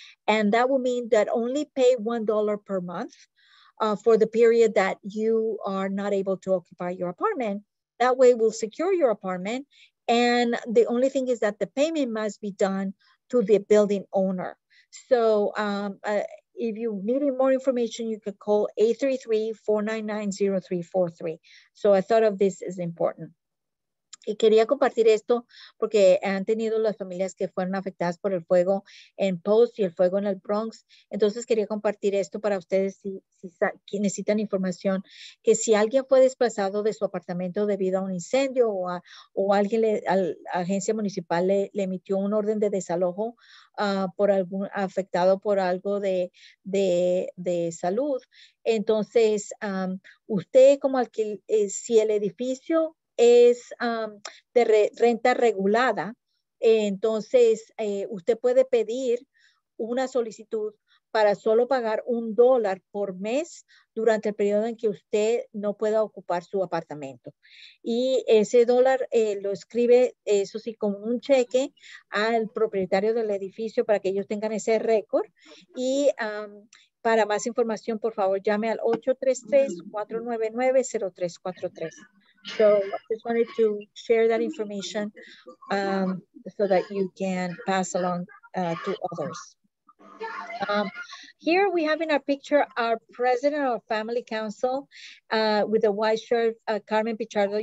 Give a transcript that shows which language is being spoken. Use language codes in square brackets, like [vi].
[en] And that will mean that only pay $1 per month for the period that you are not able to occupy your apartment. That way we'll secure your apartment. And the only thing is that the payment must be done to the building owner. So if you need more information, you could call 833-499-0343. So I thought of this as important. [es] Y quería compartir esto porque han tenido las familias que fueron afectadas por el fuego en Post y el fuego en el Bronx. Entonces quería compartir esto para ustedes si necesitan información, que si alguien fue desplazado de su apartamento debido a un incendio o agencia municipal le emitió un orden de desalojo afectado por algo de salud. Entonces, usted como si el edificio es de renta regulada, entonces usted puede pedir una solicitud para solo pagar $1 por mes durante el periodo en que usted no pueda ocupar su apartamento. Y ese dólar lo escribe, eso sí, como un cheque al propietario del edificio para que ellos tengan ese récord. Y para más información, por favor, llame al 833-499-0343. [en] So I just wanted to share that information so that you can pass along to others. Here we have in our picture our president of family council with a white shirt, Carmen Pichardo.